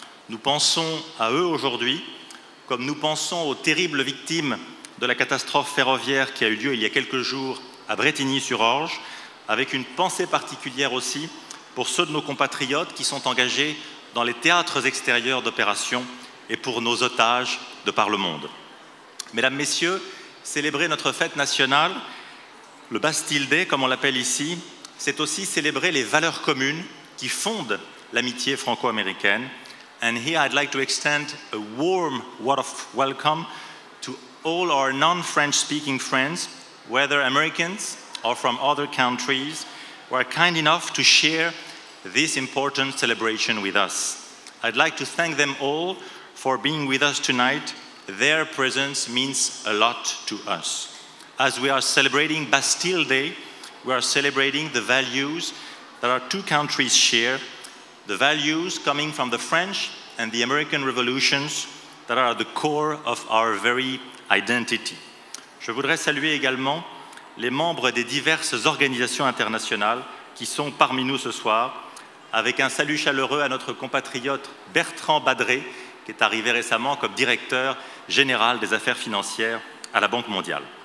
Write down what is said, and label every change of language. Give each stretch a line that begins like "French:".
French: Nous pensons à eux aujourd'hui, comme nous pensons aux terribles victimes de la catastrophe ferroviaire qui a eu lieu il y a quelques jours à Brétigny-sur-Orge, avec une pensée particulière aussi pour ceux de nos compatriotes qui sont engagés dans les théâtres extérieurs d'opérations et pour nos otages de par le monde. Mesdames, Messieurs, célébrer notre fête nationale, le Bastille Day, comme on l'appelle ici, c'est aussi célébrer les valeurs communes qui fondent l'amitié franco-américaine.
English: And here I'd like to extend a warm word of welcome to all our non-French-speaking friends, whether Americans or from other countries, who are kind enough to share this important celebration with us. I'd like to thank them all for being with us tonight. Their presence means a lot to us. As we are celebrating Bastille Day, we are celebrating the values that our two countries share, the values coming from the French and the American revolutions that are at the core of our very identity.
French: Je voudrais saluer également les membres des diverses organisations internationales qui sont parmi nous ce soir, avec un salut chaleureux à notre compatriote Bertrand Badré, qui est arrivé récemment comme directeur général des affaires financières à la Banque mondiale.